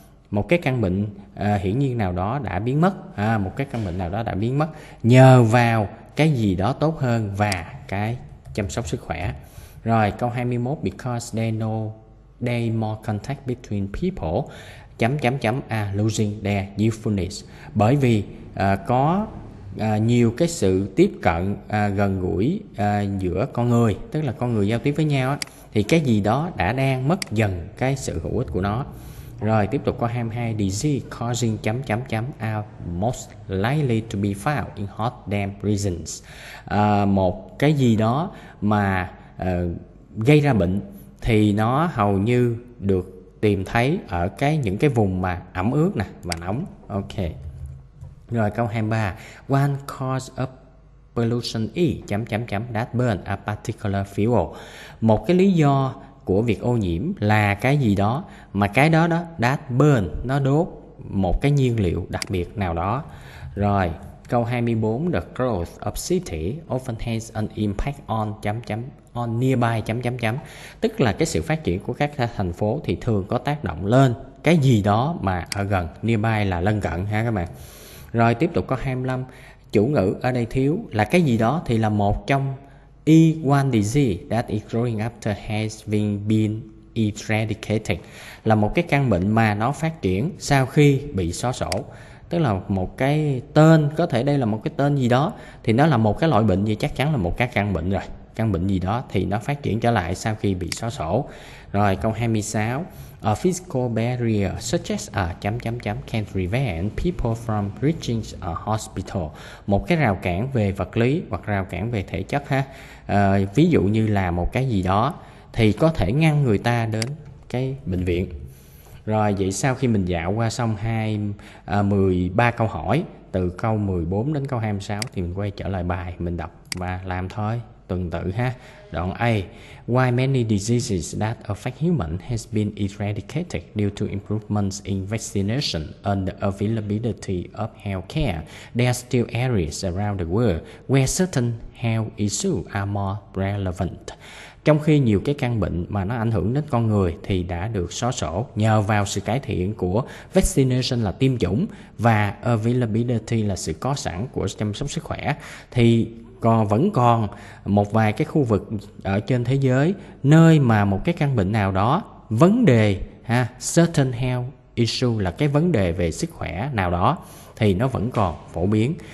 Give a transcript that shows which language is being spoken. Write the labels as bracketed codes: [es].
[vi] Một cái căn bệnh hiển nhiên nào đó đã biến mất. Một cái căn bệnh nào đó đã biến mất nhờ vào cái gì đó tốt hơn và cái chăm sóc sức khỏe. Rồi, câu 21. [en] Because they know they more contact between people ...... losing their usefulness. [vi] Bởi vì có nhiều cái sự tiếp cận gần gũi giữa con người, tức là con người giao tiếp với nhau á, thì cái gì đó đã đang mất dần cái sự hữu ích của nó. Rồi, tiếp tục có 22. [en] Disease causing ...... most likely to be found in hot damp regions. [vi] Một cái gì đó mà gây ra bệnh thì nó hầu như được tìm thấy ở cái những cái vùng mà ẩm ướt nè và nóng. [en] Ok. [vi] Rồi, câu 23. [en] One cause of pollution ...... that burn a particular fuel. [vi] Một cái lý do của việc ô nhiễm là cái gì đó mà cái đó đó [en] that burn, [vi] nó đốt một cái nhiên liệu đặc biệt nào đó. Rồi, câu 24. [en] The growth of city often has an impact on nearby ...... [vi] tức là cái sự phát triển của các thành phố thì thường có tác động lên cái gì đó mà ở gần, nearby là lân cận ha các bạn. Rồi, tiếp tục có 25. Chủ ngữ ở đây thiếu là cái gì đó thì là một trong E1 [en] disease that is growing after has been eradicated, [vi] là một cái căn bệnh mà nó phát triển sau khi bị xóa sổ. Tức là một cái tên, có thể đây là một cái tên gì đó thì nó là một cái loại bệnh gì, chắc chắn là một cái căn bệnh rồi, căn bệnh gì đó thì nó phát triển trở lại sau khi bị xóa sổ. Rồi, câu 26. [en] A physical barrier such as a ...... can prevent people from reaching a hospital. [vi] Một cái rào cản về vật lý hoặc rào cản về thể chất ha. Ví dụ như là một cái gì đó thì có thể ngăn người ta đến cái bệnh viện. Rồi, vậy sau khi mình dạo qua xong 13 câu hỏi từ câu 14 đến câu 26 thì mình quay trở lại bài, mình đọc và làm thôi. Tuần tự ha. Đoạn A. [en] Why many diseases that affect human has been eradicated due to improvements in vaccination and the availability of healthcare. There are still areas around the world where certain health issues are more relevant. [vi] Trong khi nhiều cái căn bệnh mà nó ảnh hưởng đến con người thì đã được xóa sổ nhờ vào sự cải thiện của vaccination, là tiêm chủng, và availability là sự có sẵn của chăm sóc sức khỏe, thì còn vẫn còn một vài cái khu vực ở trên thế giới nơi mà một cái căn bệnh nào đó, vấn đề ha, [en] certain health issue [vi] là cái vấn đề về sức khỏe nào đó thì nó vẫn còn phổ biến.